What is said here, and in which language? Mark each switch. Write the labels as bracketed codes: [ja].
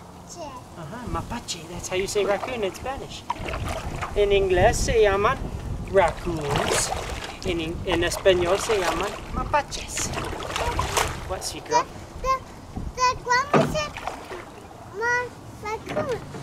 [en] Mapache, that's how you say raccoon in Spanish. [es] En inglés se llaman raccoons. En español se llaman mapaches. [en] What secret? The grandma said raccoon.